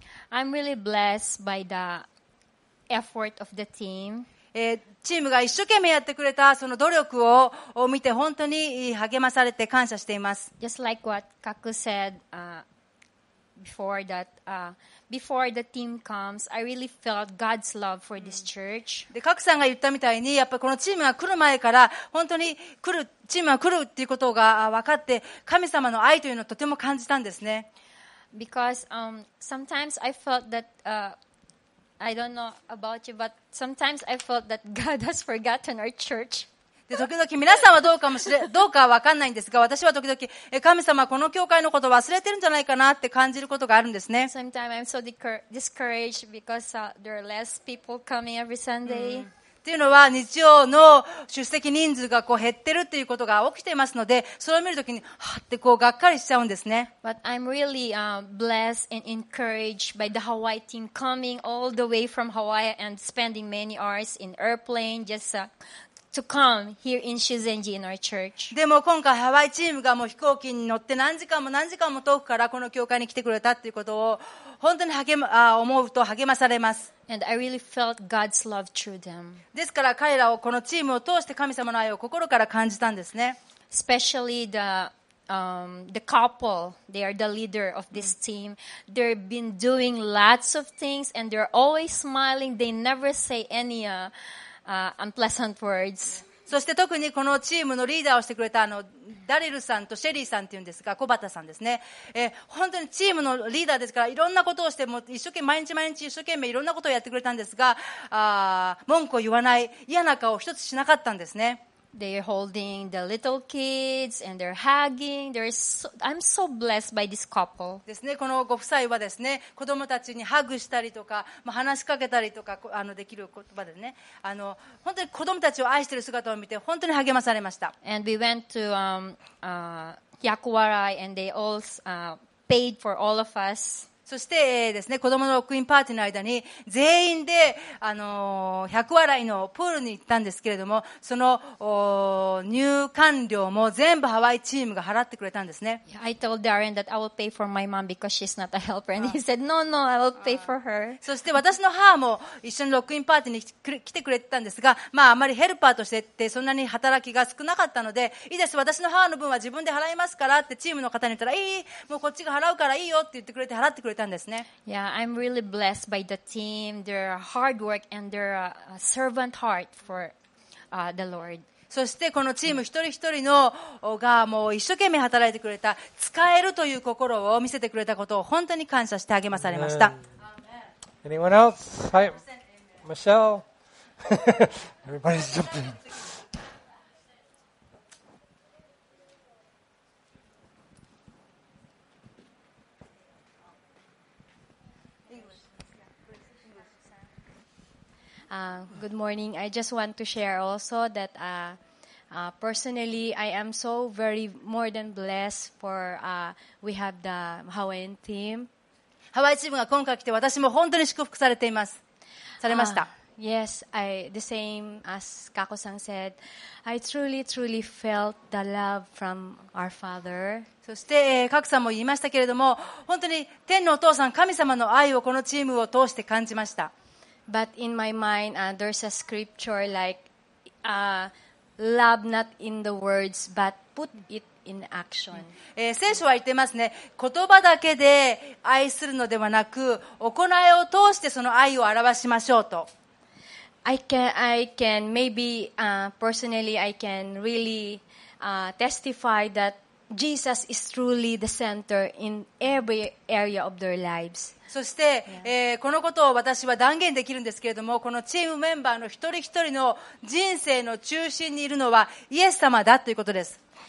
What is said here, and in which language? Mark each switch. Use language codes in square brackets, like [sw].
[en] I'm really blessed by the effort of the team. [ja] チームが一生懸命やってくれたその努力を見て本当に励まされて感謝しています。 [en] Just like what Kaku said, before that, before the team comes, I really felt God's love for this church. [ja] で、カクさんが言ったみたいに、やっぱりこのチームが来る前から本当に来るチームが来るっていうことが分かって、神様の愛というのをとても感じたんですね。 [en] Because sometimes I felt that I don't know about you, but sometimes I felt that God has forgotten our church. [ja] で、時々皆さんはどうかわかんないんですが、私は時々、神様はこの教会のことを忘れてるんじゃないかなって感じることがあるんですね。 [en] Sometimes I'm so discouraged because there are less people coming every Sunday. [ja] っていうのは日曜の出席人数がこう減ってるっていうことが起きていますので、それを見るときに、はってこうがっかりしちゃうんですね。 [en] But I'm really blessed and encouraged by the Hawaii team coming all the way from Hawaii and spending many hours in airplane just to come here in Shuzenji in our church. [ja] でも今回ハワイチームがもう飛行機に乗って何時間も何時間も遠くからこの教会に来てくれたっていうことを本当に思うと励まされます。 [en] And I really felt God's love through them. [ja] ですから彼らをこのチームを通して神様の愛を心から感じたんですね。 [en] Especially the couple, they are the leader of this team. They've been doing lots of things and they're always smiling. They never say any unpleasant words. [ja] そして特にこのチームのリーダーをしてくれたダリルさんとシェリーさんっていうんですが、小畑さんですね。本当にチームのリーダーですから、いろんなことをしても一生懸命毎日毎日一生懸命いろんなことをやってくれたんですが、文句を言わない、嫌な顔を一つしなかったんですね。 [en] They're holding the little kids and they're hugging. I'm so blessed by this couple. [ja] ですね、このご夫妻はですね、子供たちにハグしたりとか、話しかけたりとか、できる言葉でね、本当に子供たちを愛している姿を見て、本当に励まされました。 [en] And we went to Yakuwarai and they all paid for all of us. [ja] そしてですね、子供のロックインパーティーの間に全員で100払いのプールに行ったんですけれども、その入館料も全部ハワイチームが払ってくれたんですね。 [en] I told Darren that I will pay for my mom because she's not a helper, and he said, "No, no, I will pay for her." [ja] そして私の母も一緒にロックインパーティーに来てくれてたんですが、あまりヘルパーとしてってそんなに働きが少なかったので、いいです、私の母の分は自分で払いますからってチームの方に言ったら、いい、もうこっちが払うからいいよって言ってくれて払ってくれた。 [en] Yeah, I'm really blessed by the team. Their hard work and their servant heart for the Lord. [ja] そしてこのチーム一人一人のがもう一生懸命働いてくれた、使えるという心を見せてくれたことを本当に感謝して励まされました。 [en] Amen. Anyone else? Hi, Michelle. Everybody's jumping. Good morning. I just want to share also that personally I am so very more than blessed for we have the Hawaiian team. [ja] ハワイチームが今回来て私も本当に祝福されています。されました。 [en] Yes, the same as Kako-san said, I truly, truly felt the love from our Father. [ja] そして、Kako-san も言いましたけれども、本当に天のお父さん、神様の愛をこのチームを通して感じました。 [en] But in my mind, there's a scripture like, love not in the words, but put it in action. [ja] 聖書は言ってますね。言葉だけで愛するのではなく、行いを通してその愛を表しましょうと。 [en] I can, maybe, personally, I can really, testify that Jesus is truly the center in every area of their lives. [ja] そして、このことを私は断言できるんですけれども、このチームメンバーの一人一人の人生の中心にいるのはイエス様だということです。